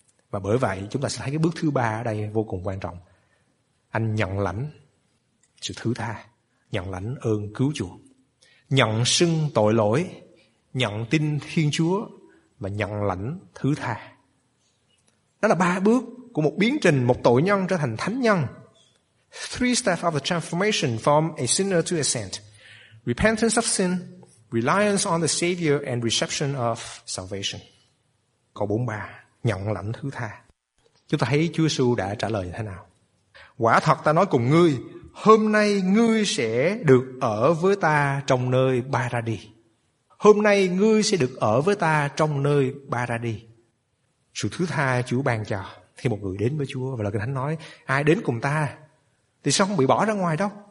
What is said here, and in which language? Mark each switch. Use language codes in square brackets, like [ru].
[vi] Và bởi vậy chúng ta sẽ thấy cái bước thứ ba ở đây vô cùng quan trọng. Anh nhận lãnh sự thứ tha, nhận lãnh ơn cứu chuộc, nhận xưng tội lỗi, nhận tin Thiên Chúa và nhận lãnh thứ tha. Đó là ba bước của một biến trình một tội nhân trở thành thánh nhân. [en] Three steps of the transformation from a sinner to a saint: repentance of sin, reliance on the Savior and reception of salvation. [vi] Câu 43, nhận lãnh thứ tha. Chúng ta thấy Chúa Jesus đã trả lời như thế nào. Quả thật ta nói cùng ngươi, hôm nay ngươi sẽ được ở với ta trong nơi paradis. Hôm nay ngươi sẽ được ở với ta trong nơi paradis. Sự thứ tha Chúa ban cho khi một người đến với Chúa. Và lời Kinh Thánh nói, ai đến cùng ta thì sao không bị bỏ ra ngoài đâu.